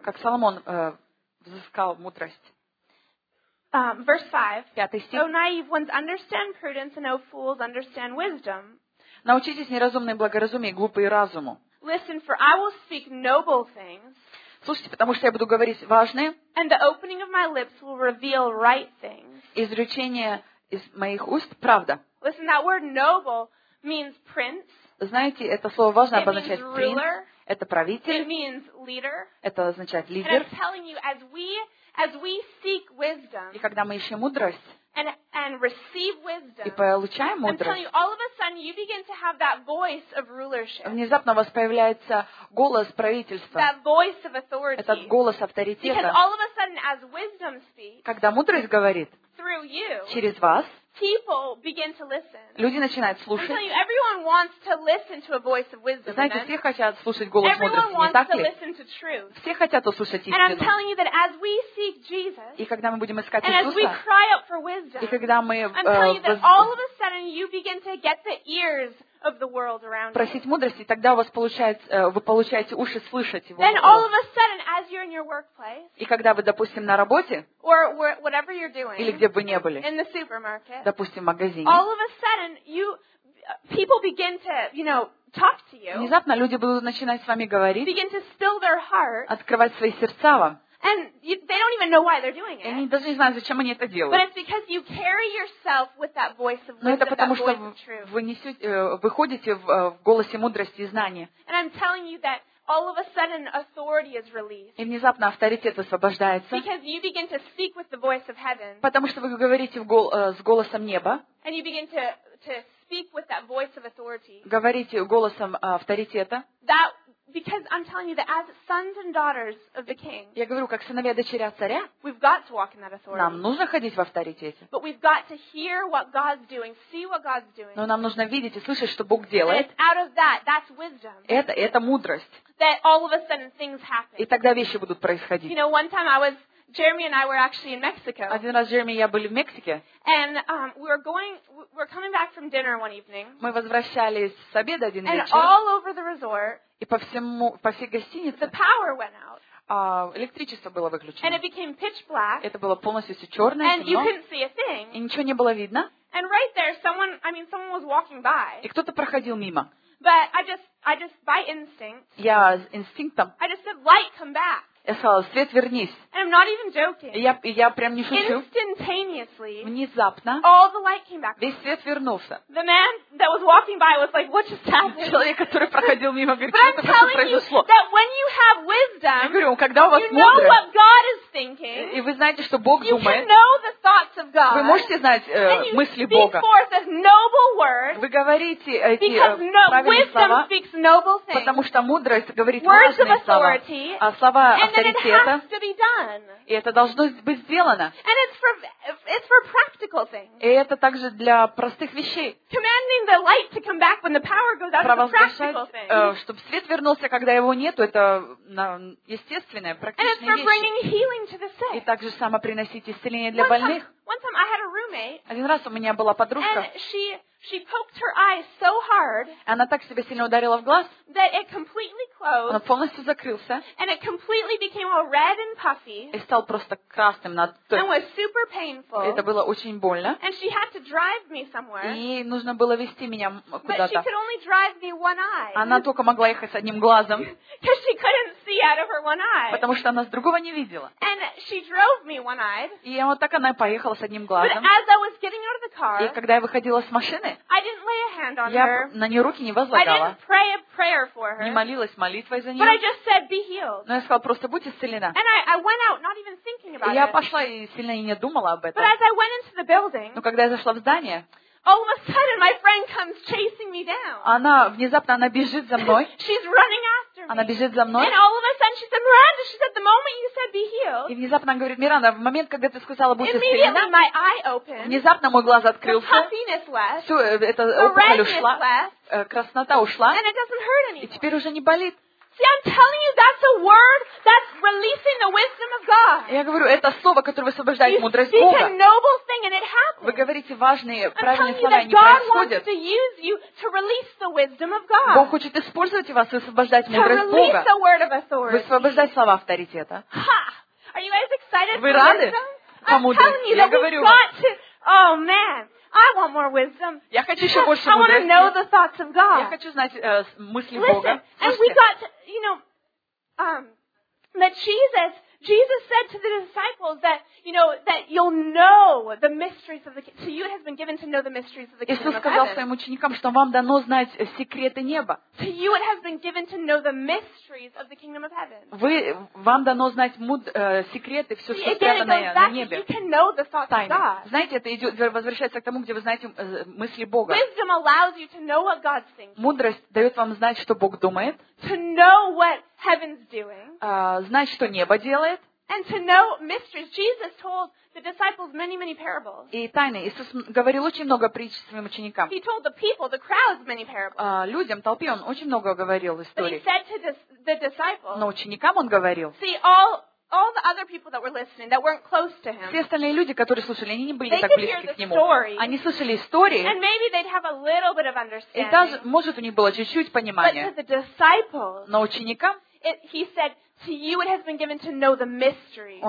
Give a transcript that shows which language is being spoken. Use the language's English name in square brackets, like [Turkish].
[Russian] Как Соломон взыскал мудрость. [English] Verse 5. O naive ones, understand prudence, and O fools, understand wisdom. [Russian] Научитесь неразумной благоразумии, глупые разуму. [English] Listen, for I will speak noble things. [Russian] Слушайте, потому что я буду говорить важные. [English] And the opening of my lips will reveal right things. [Russian] Изречение из моих уст правда. [English] Listen, that word noble means prince. [Russian] Знаете, это слово важно обозначает принц. Это правитель. [English] It means leader. [Russian] Это означает лидер. [English] And I'm telling you, as we seek wisdom, [Russian] и когда мы ищем мудрость [English] and receive wisdom, [Russian] и получаем мудрость, [English] all of a sudden you begin to have that voice of rulership. [Russian] Внезапно у вас появляется голос правительства. [English] That voice of authority. [Russian] Этот голос авторитета. [English] Because all of a sudden, as wisdom speaks, [Russian] когда мудрость говорит [English] through you, [Russian] через вас, [English] people begin to listen. [Russian] Люди начинают слушать. [English] I'm telling you, everyone wants to listen to a voice of wisdom. [Russian] Знаете, все хотят слушать голос мудрости, не так ли? Все хотят услышать истину. [English] And I'm telling you that as we seek Jesus, [Russian] и когда мы будем искать Иисуса, [English] and as we cry out for wisdom, [Russian] и когда мы, [English] all of a sudden you begin to get the ears of the world around you. [Russian] Просить мудрости, тогда у вас получается, вы получаете уши слышать его. [English] Then all of a sudden, as you're in your workplace, [Russian] и когда вы, допустим, на работе, [English] or whatever you're doing, [Russian] или где бы вы ни были, [English] in the supermarket, [Russian] допустим, в магазине, [English] all of a sudden you people begin to, you know, talk to you. [Russian] Внезапно люди будут начинать с вами говорить, [English] begin to still their heart, [Russian] открывать свои сердца вам. [English] And they don't even know why they're doing it. [Russian] Они даже не знают, зачем они это делают. [English] But it's because you carry yourself with that voice of wisdom, that voice of truth. [Russian] Но это потому, что вы несете, выходите в голосе мудрости и знания. [English] And I'm telling you that all of a sudden authority is released. [Russian] И внезапно авторитет освобождается. [English] Because you begin to speak with the voice of heaven. [Russian] Потому что вы говорите с голосом неба. [English] And you begin to speak with that voice of authority. [Russian] Говорите голосом авторитета. [English] Because I'm telling you that as sons and daughters of the King, [Russian] я говорю, как сыновья и дочеря царя, [English] we've got to walk in that authority. [Russian] Нам нужно ходить в авторитете. [English] But we've got to hear what God's doing, see what God's doing. [Russian] Но нам нужно видеть и слышать, что Бог делает. [English] And it's out of that's wisdom. [Russian] Это мудрость. [English] That all of a sudden things happen. [Russian] И тогда вещи будут происходить. [English] You know, one time Jeremy and I were actually in Mexico. [Russian] Один раз Джереми и я были в Мексике. [English] And we were coming back from dinner one evening. [Russian] Мы возвращались с обеда один вечер. [English] And all over the resort. [Russian] И по всей гостинице. [English] The power went out. [Russian] Электричество было выключено. [English] And it became pitch black. [Russian] Это было полностью все черное. [English] And you couldn't see a thing. [Russian] И ничего не было видно. [English] And right there, someone was walking by. [Russian] И кто-то проходил мимо. [English] But I just by instinct. [Russian] Я инстинктом. [English] I just said, light, come back. [Russian] Я сказала, свет, вернись. [English] And I'm not even joking. [Russian] Я прям не шучу. [English] Instantaneously, [Russian] внезапно, [English] all the light came back. [Russian] Весь свет вернулся. [English] The man that was walking by was like, what just happened? [Russian] Человек, который проходил мимо, говорит, [English] but [Russian] что это произошло? [English] That when you have wisdom, [Russian] я говорю, когда у вас [English] you know [Russian] мудрость, [English] what God is thinking, [Russian] и вы знаете, что Бог [English] you [Russian] думает, [English] can know the thoughts of God, [Russian] вы можете знать мысли Бога. [English] Forth a noble word, [Russian] вы говорите эти правильные слова, [English] wisdom speaks noble things, [Russian] потому что мудрость говорит [English] words [Russian] важные [English] of authority, [Russian] слова. [English] And then it has to be done. [Russian] И это должно быть сделано. [English] And it's for It's for practical things. [Russian] И это также для простых вещей. [English] Commanding the light to come back when the power goes out is a practical thing. [Russian] Чтобы свет вернулся, когда его нету, это естественная, практичная вещь. [English] And it's for bringing healing to the sick. [Russian] И также само приносить исцеление для больных. [English] One time I had a roommate. [Russian] Один раз у меня была подружка. [English] And she poked her eye so hard. [Russian] Она так себе сильно ударила в глаз. [English] That it completely closed. [Russian] Он полностью закрылся. [English] And it completely became all red and puffy. [Russian] И стал просто красным на тот. [English] And was super painful. [Russian] Это было очень больно. [English] And she had to drive me somewhere. [Russian] И нужно было везти меня куда-то. [English] But she could only drive me one eye. [Russian] Она только могла ехать с одним глазом. [English] Because she couldn't see out of her one eye. [Russian] Потому что она с другого не видела. [English] And she drove me one-eyed. [Russian] И вот так она поехала. С одним глазом. [English] But as I was getting out of the car, [Russian] и когда я выходила с машины, [English] I didn't lay a hand on [Russian] я на нее руки не возлагала. [English] I didn't pray a prayer for her, [Russian] не молилась молитвой за нее. [English] But I just said, be healed. [Russian] Но я сказала, просто будь исцелена. [English] And I went out, not even thinking about [Russian] и я пошла и сильно и не думала об этом. [English] But as I went into the building, [Russian] но когда я зашла в здание, [English] all of a sudden, my friend comes chasing me down. [Russian] Она внезапно она бежит за мной. [English] She's running after me. [Russian] Она бежит за мной. [English] And all of a sudden, she said, "Miranda, she said the moment you said be healed." [Russian] И внезапно она говорит, Миранда, в момент, когда ты сказала будь исцелена. [English] Immediately, my eye opened. [Russian] Внезапно мой глаз открылся. [English] The puffiness left. [Russian] Все, это опухоль ушла. Краснота ушла. [English] And it doesn't hurt anymore. [Russian] И теперь уже не болит. [English] See, I'm telling you, that's a word that's releasing the wisdom of God. [Russian] Я говорю, это слово, которое высвобождает мудрость Бога. [English] You speak a noble thing and it happens. [Russian] Вы говорите важные, правильные слова, [English] I'm telling you that God wants to use you to release the wisdom of God. [Russian] Бог хочет использовать вас, высвобождать мудрость Бога. [English] To release the word of authority. [Russian] Высвобождать слова авторитета. [English] Ha! Are you guys excited? [Russian] Вы рады? [English] I'm telling you that we've got to. Oh man. I want more wisdom. [Russian] Я хочу ещё больше мудрости. [English] I want to know the thoughts of God. [Russian] Я хочу знать мысли [English] Listen, [Russian] Бога. Слушайте. [English] And we got to, you know, that Jesus said to the disciples that, you know, that you'll know the mysteries of the kingdom. To you it has been given to know the mysteries of the kingdom. [Russian] Иисус сказал своим ученикам, что вам дано знать секреты неба. [English] To you it has been given to know the mysteries of the kingdom of heaven. [Russian] Вам дано знать секреты всё, что спрятано на небе. [English] You can know the thoughts of God. [Russian] Знаете, это идёт возвращается к тому, где вы знаете мысли Бога. [English] Wisdom allows you to know what God's thinking. [Russian] Мудрость даёт вам знать, что Бог думает. [English] To know what heaven's doing. [Russian] Знать, что небо делает. [English] And to know mysteries. Jesus told the disciples many, many parables. [Russian] И тайны. Иисус говорил очень много притч своим ученикам. [English] He told the people, the crowds, many parables. [Russian] Людям, толпе, он очень много говорил историй. [English] But he said to the disciples. [Russian] Но ученикам он говорил. [English] See, all the other people that were listening, that weren't close to him. [Russian] Все остальные люди, которые слушали, они не были так близки к нему. [English] They could hear the story. [Russian] Они слышали истории. [English] And maybe they'd have a little bit of understanding. [Russian] И даже, может, у них было чуть-чуть понимания. [English] But to the disciples. [Russian] Но ученикам. [English] He said, "To you it has been given to know the mysteries."